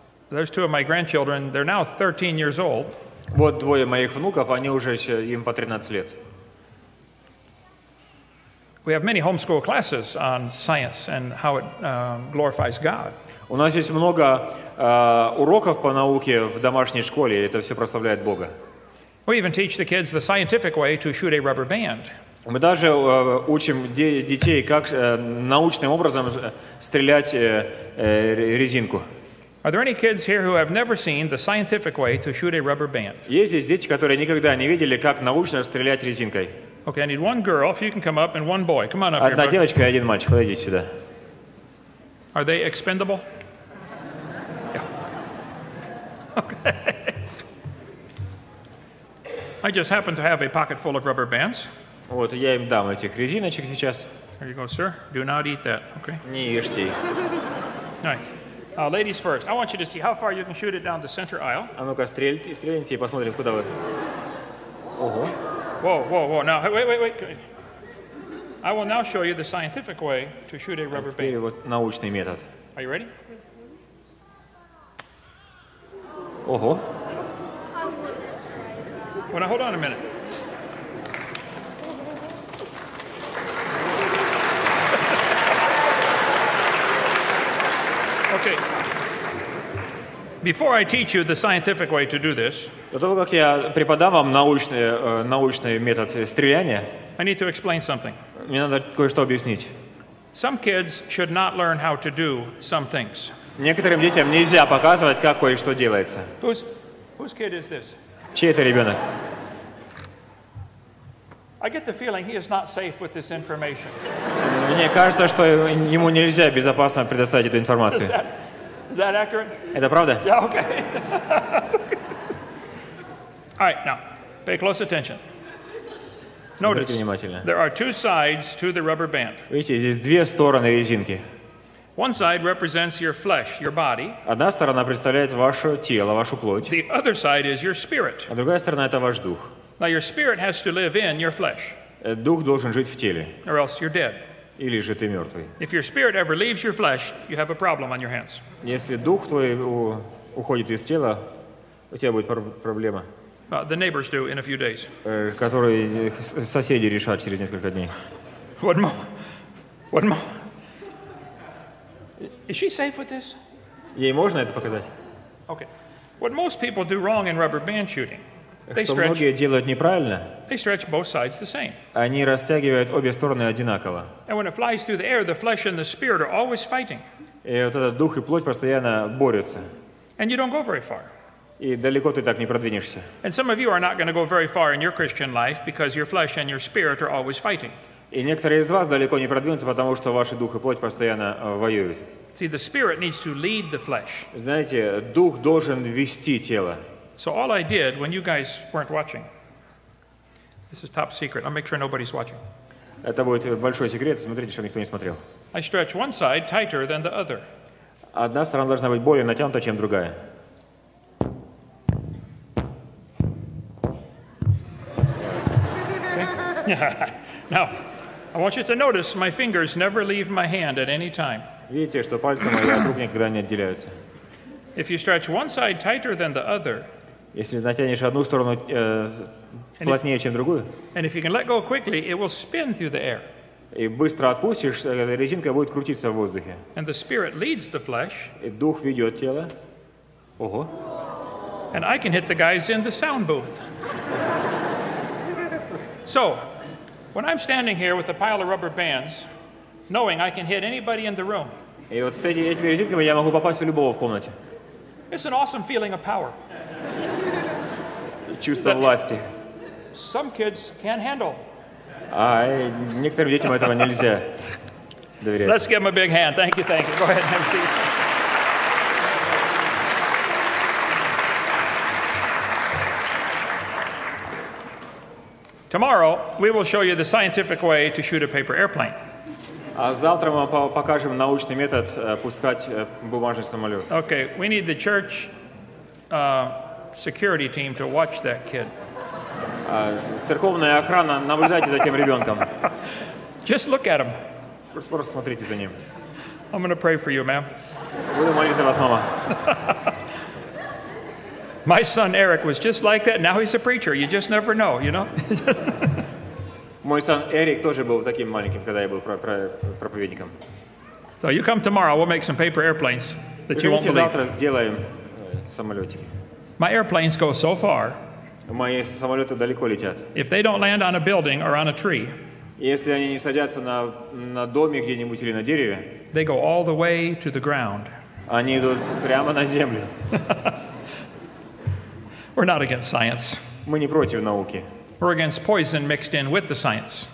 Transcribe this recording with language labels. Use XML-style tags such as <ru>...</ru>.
<en>There's two of my grandchildren. They're now 13 years old.</en> <ru>Вот двое моих внуков. Они уже им по 13 лет.</ru> <en>We have many homeschool classes on science and how it glorifies God.</en> <ru>У нас есть много уроков по науке в домашней школе. Это все прославляет Бога.</ru> <en>We even teach the kids the scientific way to shoot a rubber band.</en> <ru>Мы даже учим детей, как научным образом стрелять резинку.</ru> <en>Are there any kids here who have never seen the scientific way to shoot a rubber band?</en> <ru>Есть здесь дети, которые никогда не видели, как научно стрелять резинкой?</ru> <en>Okay, I need one girl, if you can come up, and one boy. Come on up.</en> <ru>Одна девочка и один мальчик. Подойдите сюда.</ru> <en>Are they expendable? Yeah. Okay. I just happen to have a pocket full of rubber bands.</en> <ru>Вот я им дам этих резиночек сейчас.</ru> <en>There you go, sir. Do not eat that. Okay.</en> <ru>Не ешьте их.</ru> <en>Right. Ladies first. I want you to see how far you can shoot it down the center aisle.</en> <ru>А ну-ка стрельните и посмотрим, куда вы. Ого.</ru> <en>Whoa. Now, wait. I will now show you the scientific way to shoot a rubber band.</en> <ru>Теперь вот научный метод.</ru> <en>Are you ready?</en> <ru>Ого.</ru> <en>Well, now, hold on a minute. Oh, Okay. Before I teach you the scientific way to do this,</en> <ru>до того, как я преподам вам научный метод стреляния,</ru> <en>I need to explain something.</en> <ru>Мне надо кое-что объяснить.</ru> <en>Some kids should not learn how to do some things.</en> <ru>Некоторым детям нельзя показывать, как кое-что делается.</ru> <en>Whose kid is this?</en> <ru>Чей это ребенок?</ru> <en>I get the feeling he is not safe with this information.</en> <ru>Мне кажется, что ему нельзя безопасно предоставить эту информацию.</ru> <en>Is that accurate?</en> <ru>Это правда?</ru> <en>Yeah, okay. All right, now, pay close attention. Notice, there are two sides to the rubber band.</en> <ru>Видите, здесь две стороны резинки.</ru> <en>One side represents your flesh, your body.</en> <ru>Одна сторона представляет ваше тело, вашу плоть.</ru> <en>The other side is your spirit.</en> <ru>А другая сторона – это ваш дух.</ru> <en>Now, your spirit has to live in your flesh.</en> <ru>Дух должен жить в теле.</ru> <en>Or else you're dead.</en> <ru>Или же ты мертвый.</ru> <en>If your spirit ever leaves your flesh, you have a problem on your hands.</en> <ru>Если дух твой уходит из тела, у тебя будет проблема.</ru> <en>The neighbors do in a few days.</en> <ru>Которые соседи решат через несколько дней.</ru> <en>One more. Is she safe with this?</en> <ru>Ей можно это показать?</ru> <en>Okay. What most people do wrong in rubber band shooting?</en> <ru>Многие делают неправильно.</ru> <en>They stretch both sides the same.</en> <ru>Они растягивают обе стороны одинаково.</ru> <en>And when it flies through the air, the flesh and the spirit are always fighting.</en> <ru>И вот этот дух и плоть постоянно борются.</ru> <en>And you don't go very far.</en> <ru>И далеко ты так не продвинешься.</ru> <en>And some of you are not going to go very far in your Christian life because your flesh and your spirit are always fighting.</en> <ru>И некоторые из вас далеко не продвинутся, потому что ваши дух и плоть постоянно воюют.</ru> <en>See, the spirit needs to lead the flesh.</en> <ru>Знаете, дух должен вести тело.</ru> <en>So all I did when you guys weren't watching. This is top secret. I'll make sure nobody's watching.</en> <ru>Это будет большой секрет. Смотрите, чтобы никто не смотрел.</ru> <en>I stretch one side tighter than the other.</en> <ru>Одна сторона должна быть более натянута, чем другая.</ru> <en>Now, I want you to notice my fingers never leave my hand at any time.</en> <ru>Видите, что пальцы мои от рук никогда не отделяются.</ru> <en>If you stretch one side tighter than the other,</en> <ru>если натянешь одну сторону плотнее, чем другую,</ru> <en>and if you can let go quickly, it will spin through the air.</en> <ru>И быстро отпустишь, резинка будет крутиться в воздухе.</ru> <en>And the spirit leads the flesh.</en> <ru>И дух ведет тело. Ого.</ru> <en>And I can hit the guys in the sound booth. So, when I'm standing here with a pile of rubber bands, knowing I can hit anybody in the room,</en> <ru>и вот с этими резинками я могу попасть в любого в комнате.</ru> <en>It's an awesome feeling of power.</en> <ru>Чувство власти.</ru> <en>Some kids can't handle.</en> <ru>А некоторым детям этого нельзя доверять.</ru> <en>Let's give them a big hand. Thank you. Go ahead, MC. Tomorrow we will show you the scientific way to shoot a paper airplane.</en> <ru>А завтра мы покажем научный метод пускать бумажный самолет.</ru> <en>Okay, we need the church security team to watch that kid.</en> <ru>Церковная охрана, наблюдайте за тем ребенком.</ru> <en>Just look at him.</en> <ru>Просто смотрите за ним.</ru> <en>I'm going to pray for you, ma'am.</en> <ru>Буду молиться за вас, мама.</ru> <en>My son Eric was just like that. Now he's a preacher. You just never know, you know?</en> <ru>Мой сын Эрик тоже был таким маленьким, когда я был проповедником.</ru> <en>So you come tomorrow, we'll make some paper airplanes that you won't believe.</en> <ru>Завтра сделаем самолетики.</ru> <en>My airplanes go so far.</en> <ru>Мои самолеты далеко летят.</ru> <en>If they don't land on a building or on a tree.</en> <ru>Если они не садятся на доме где-нибудь или на дереве.</ru> <en>They go all the way to the ground.</en> <ru>Они идут прямо на землю.</ru> <en>We're not against science.</en> <ru>Мы не против науки.</ru> <en>We're against poison mixed in with the science.</en>